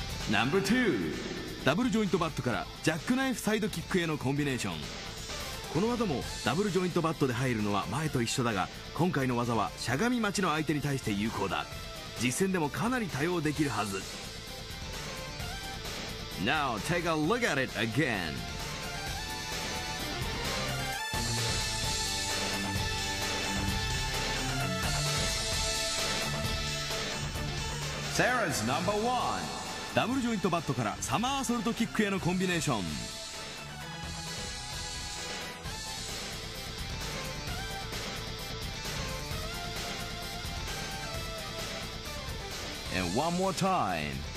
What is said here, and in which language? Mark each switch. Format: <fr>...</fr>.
<ja>ナンバー2、ダブルジョイントバットからジャックナイフサイドキックへのコンビネーション。この技もダブルジョイントバットで入るのは前と一緒だが、今回の技はしゃがみ待ちの相手に対して有効だ。実戦でもかなり多用できるはず。</ja> <en>Now take a look at it againSarah's number one.</en> <ja>ダブルジョイントバットからサマーソルトキックへのコンビネーション。</ja> <en>And one more time.</en>